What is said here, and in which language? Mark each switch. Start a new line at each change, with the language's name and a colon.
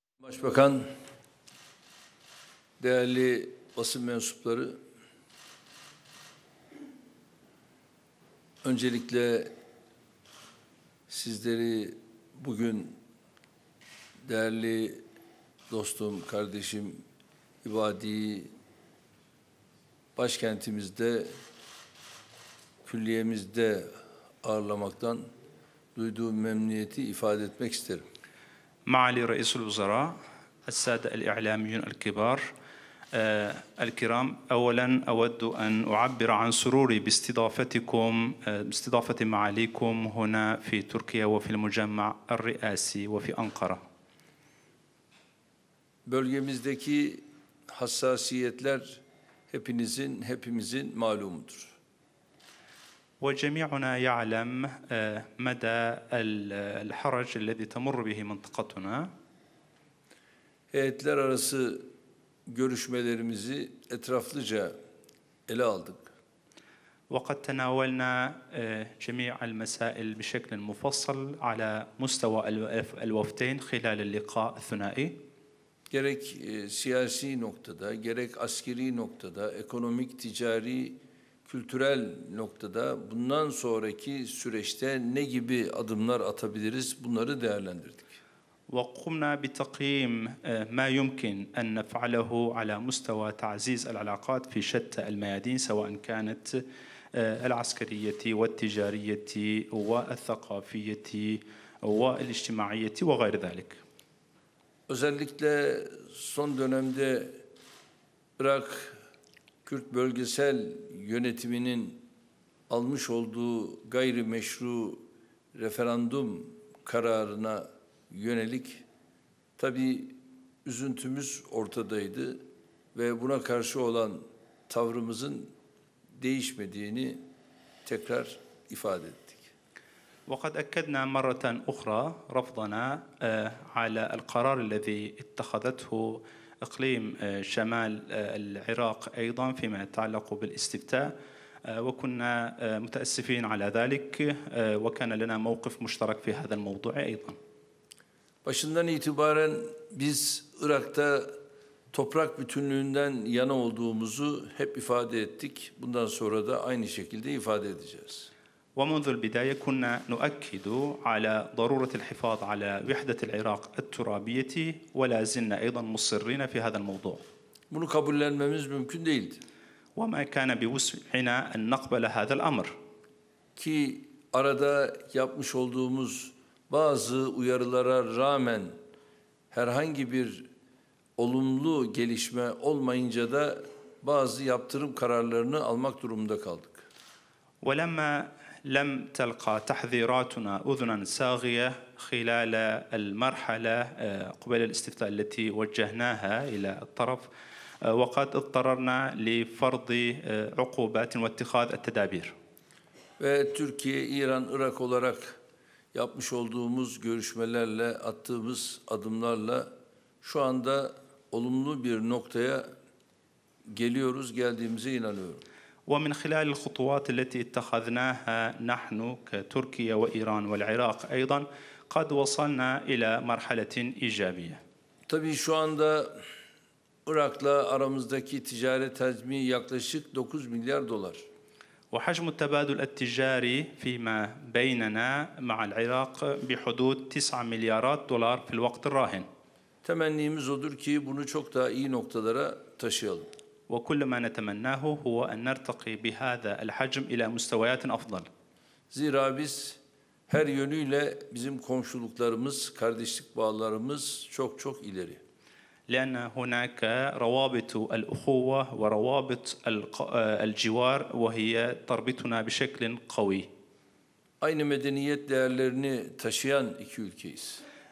Turkish: Başbakan, değerli basın mensupları, öncelikle sizleri bugün değerli dostum, kardeşim, ibadi başkentimizde, külliyemizde ağırlamaktan duyduğum memnuniyeti ifade etmek isterim.
Arabic: Maali Reisul Uzara, السادة الإعلاميون الكبار الكرام أولا أود أن أعبر عن سروري باستضافتكم باستضافة معاليكم هنا في تركيا وفي المجمع الرئاسي وفي أنقرة.
Turkish: Bölgemizdeki hassasiyetler hepimizin malumudur.
Arabic: وجميعنا يعلم مدى الحرج الذي تمر به منطقتنا.
Turkish: Heyetler arası görüşmelerimizi etraflıca ele aldık.
Arabic: وقد تناولنا جميع المسائل بشكل مفصل على مستوى الوفدين خلال اللقاء الثنائي.
Turkish: Gerek siyasi noktada, gerek askeri noktada, ekonomik, ticari, kültürel noktada bundan sonraki süreçte ne gibi adımlar atabiliriz, bunları değerlendirdik.
Arabic: وقمنا بتقييم ما يمكن أن نفعله على مستوى تعزيز العلاقات في شتى الميادين سواء كانت العسكرية والتجارية والثقافية والاجتماعية وغير ذلك.
Turkish: Özellikle son dönemde Irak Kürt bölgesel yönetiminin almış olduğu gayri meşru referandum kararına yönelik tabii üzüntümüz ortadaydı ve buna karşı olan tavrımızın değişmediğini tekrar ifade ettik.
Arabic: وقد أكدنا مرة أخرى رفضنا على القرار الذي اتخذته إقليم شمال العراق أيضا فيما يتعلق بالاستفتاء وكنا متأسفين على ذلك وكان لنا موقف مشترك في هذا الموضوع أيضا.
Turkish: Başından itibaren biz Irak'ta toprak bütünlüğünden yana olduğumuzu hep ifade ettik. Bundan sonra da aynı şekilde ifade edeceğiz.
Arabic: ومنذ البداية كنا نؤكد على ضرورة الحفاظ على وحدة العراق الترابية ولا زلنا أيضا مصرين في هذا الموضوع.
Turkish: Bunu kabullenmemiz mümkün değildi.
Arabic: وما كان بوسعنا أن نقبل هذا الأمر.
Turkish: Ki arada yapmış olduğumuz bazı uyarılara rağmen herhangi bir olumlu gelişme olmayınca da bazı yaptırım kararlarını almak durumunda kaldık.
Arabic: وَلَمَّا لَمْ تَلْقَى تَحْذِيرَاتُنَا أُذُنًا سَاغِيَةً خِلَالَ الْمَرْحَلَةِ قُبَلَ الْإِسْتِفْتَاءِ الَّتِي وَجَّهْنَاهَا إِلَى الطَّرَفِ وَقَدْ اضْطَرَرْنَا لِفَرْضِ عُقُوبَاتٍ وَاتِّخَاذِ التَّدَابِيرِ
Turkish: Ve Türkiye, İran, Irak olarak yapmış olduğumuz görüşmelerle, attığımız adımlarla şu anda olumlu bir noktaya geliyoruz, geldiğimize inanıyorum.
Arabic: ومن خلال الخطوات التي اتخذناها نحن كتركيا وإيران والعراق أيضا قد وصلنا إلى مرحلة إيجابية.
Turkish: Tabii şu anda Irak'la aramızdaki ticaret hacmi yaklaşık 9 milyar dolar.
Arabic: وحجم التبادل التجاري فيما بيننا مع العراق بحدود 9 مليارات دولار في الوقت الراهن.
Turkish: تمنيimiz odur ki bunu çok daha iyi noktalara taşıyalım.
Arabic: وكل ما نتمناه هو أن نرتقي بهذا الحجم إلى مستويات أفضل.
Turkish: زيرا biz her yönüyle bizim komşuluklarımız, kardeşlik bağlarımız çok çok ileri.
Arabic: لأن هناك روابط الأخوة وروابط الجوار وهي تربطنا بشكل قوي.
Turkish: Aynı medeniyet değerlerini taşıyan iki ülkeyiz.